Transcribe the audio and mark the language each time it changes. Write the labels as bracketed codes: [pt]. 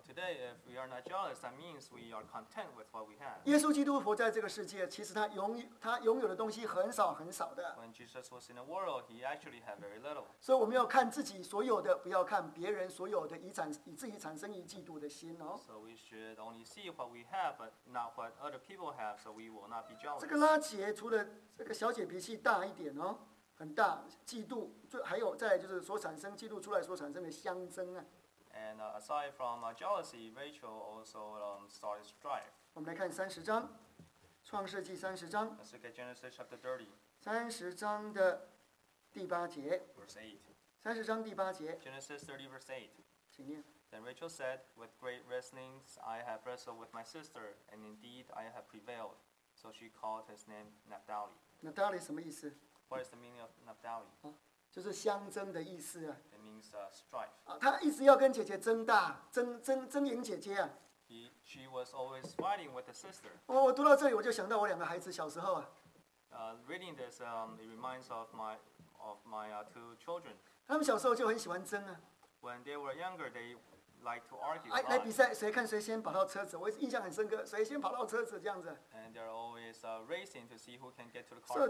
[en] today, if we are not jealous, that means we are content with what we have. [zh] 耶稣基督活在这个世界，其实他拥有的东西很少很少的。 [en] When Jesus was in the world, he actually had very little. [zh] 所以我们要看自己所有的，不要看别人所有的，以自己产生于嫉妒的心哦。 [en] So we should only see what we have, but not what other people have, so we will not be jealous. [zh] 这个拉杰除了这个小姐脾气大一点哦。很大嫉妒，就还有再来就是所产生嫉妒出来所产生的相争啊。 [en] And aside from jealousy, Rachel also started strife. [zh] 我们来看30章，创世纪30章。 [en] Let's look at Genesis chapter 30. [zh] 30章的第8节。 [en] Verse 8. [zh] 30章第8节。 [en] Genesis 30 verse 8. [zh] 请念。 [en] Then Rachel said, "With great wrestlings I have wrestled with my sister, and indeed I have prevailed." So she called his name Naphtali. [zh] Naphtali 什么意思？ [en] What is the meaning of Naphtali? [zh] 就是相争的意思啊。 [en] It means strife. [zh] 她一直要跟姐姐争大，争赢姐姐啊。 [en] She was always fighting with the sister. [zh] 我读到这里，我就想到我两个孩子小时候啊。 [en] Reading this, it reminds of my two children. [zh] 他们小时候就很喜欢争啊。 [en] When they were younger, they liked to argue. [zh] 来比赛，谁看谁先跑到车子，我印象很深刻，谁先跑到车子这样子。 [en] And they're always racing to see who can get to the car